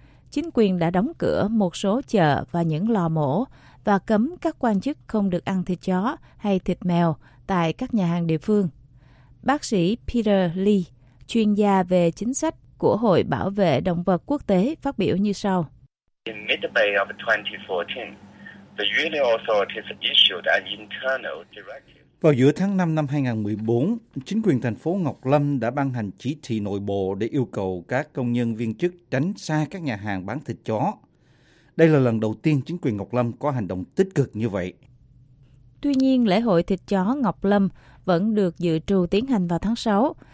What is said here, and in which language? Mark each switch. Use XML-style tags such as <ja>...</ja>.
<vi>Chính quyền đã đóng cửa một số chợ và những lò mổ và cấm các quan chức không được ăn thịt chó hay thịt mèo tại các nhà hàng địa phương. Bác sĩ Peter Lee, chuyên gia về chính sách của Hội Bảo vệ Động vật Quốc tế, phát biểu như sau.</vi> <en>In mid-May of 2014, the UN authorities issued an internal directive.</en> <vi>Vào giữa tháng 5 năm 2014, chính quyền thành phố Ngọc Lâm đã ban hành chỉ thị nội bộ để yêu cầu các công nhân viên chức tránh xa các nhà hàng bán thịt chó. Đây là lần đầu tiên chính quyền Ngọc Lâm có hành động tích cực như vậy. Tuy nhiên, lễ hội thịt chó Ngọc Lâm vẫn được dự trù tiến hành vào tháng 6.</vi>